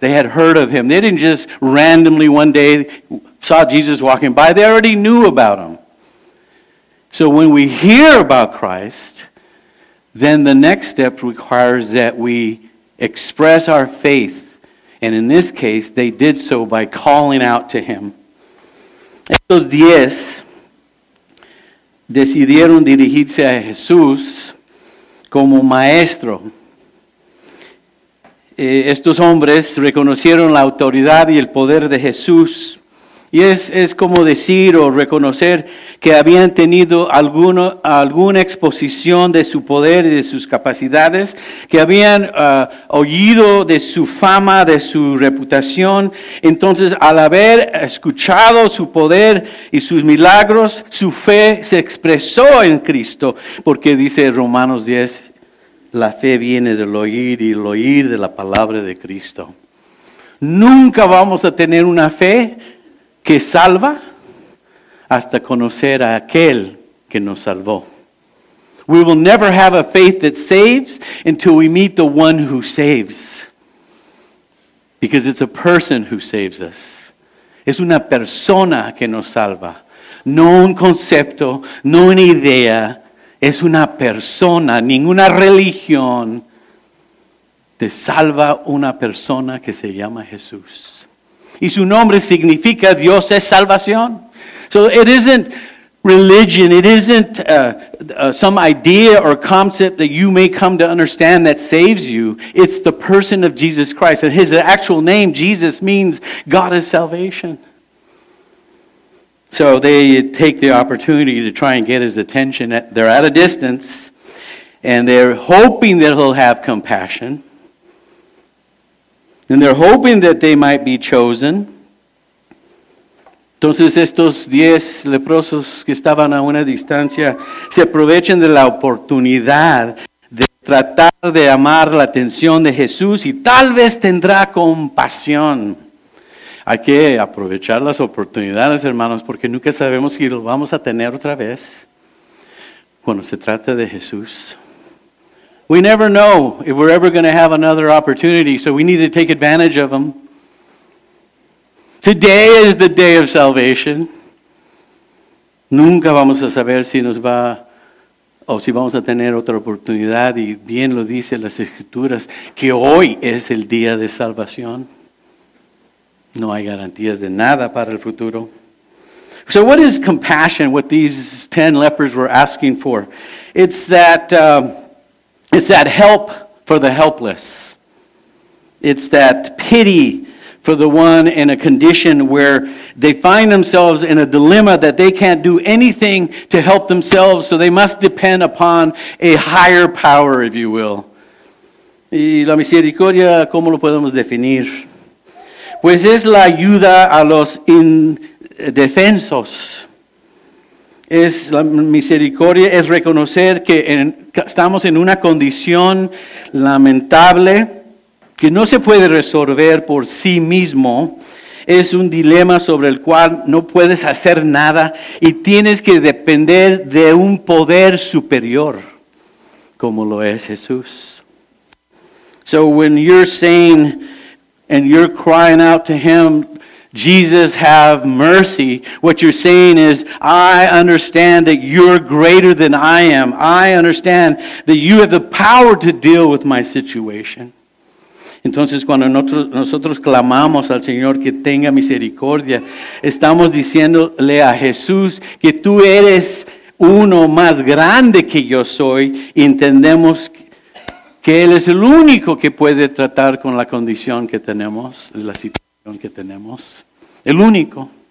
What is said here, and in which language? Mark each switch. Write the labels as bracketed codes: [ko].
[en] They had heard of him. They didn't just randomly one day saw Jesus walking by. They already knew about him. So when we hear about Christ, then the next step requires that we express our faith. And in this case, they did so by calling out to him. [es] Estos diez decidieron dirigirse a Jesús como maestro. Estos hombres reconocieron la autoridad y el poder de Jesús. Y es como decir o reconocer que habían tenido alguna exposición de su poder y de sus capacidades, que habían oído de su fama, de su reputación. Entonces, al haber escuchado su poder y sus milagros, su fe se expresó en Cristo. Porque dice Romanos 10, la fe viene del oír y el oír de la palabra de Cristo. Nunca vamos a tener una fe que salva hasta conocer a aquel que nos salvó. [en] We will never have a faith that saves until we meet the one who saves. Because it's a person who saves us. [es] Es una persona que nos salva. No un concepto, no una idea. Es una persona, ninguna religión te salva una persona que se llama Jesús. Y su nombre significa Dios es salvación. [en] So it isn't religion. It isn't some idea or concept that you may come to understand that saves you. It's the person of Jesus Christ. And his actual name, Jesus, means God is salvation. So they take the opportunity to try and get his attention. They're at a distance. And they're hoping that he'll have compassion. And they're hoping that they might be chosen. [es] Entonces estos 10 leprosos que estaban a una distancia se aprovechan de la oportunidad de tratar de llamar la atención de Jesús y tal vez tendrá compasión. Hay que aprovechar las oportunidades, hermanos, porque nunca sabemos si lo vamos a tener otra vez cuando se trata de Jesús. [en] We never know if we're ever going to have another opportunity, so we need to take advantage of them. Today is the day of salvation. [es] Nunca vamos a saber si nos va o si vamos a tener otra oportunidad. Y bien lo dice las Escrituras, que hoy es el día de salvación. No hay garantías de nada para el futuro. [en] So what is compassion, what these 10 lepers were asking for? It's that help for the helpless. It's that pity for the one in a condition where they find themselves in a dilemma that they can't do anything to help themselves, so they must depend upon a higher power, if you will. [es] Y la misericordia, ¿cómo lo podemos definir? Pues es la ayuda a los indefensos. Es la misericordia, es reconocer que estamos en una condición lamentable que no se puede resolver por sí mismo. Es un dilema sobre el cual no puedes hacer nada y tienes que depender de un poder superior, como lo es Jesús. [en] So when you're saying and you're crying out to him, Jesus, have mercy, what you're saying is, I understand that you're greater than I am. I understand that you have the power to deal with my situation. [es] Entonces, cuando nosotros clamamos al Señor que tenga misericordia, estamos diciéndole a Jesús que tú eres uno más grande que yo soy, y entendemos que Él es el único que puede tratar con la condición que tenemos, la situación que tenemos. El único.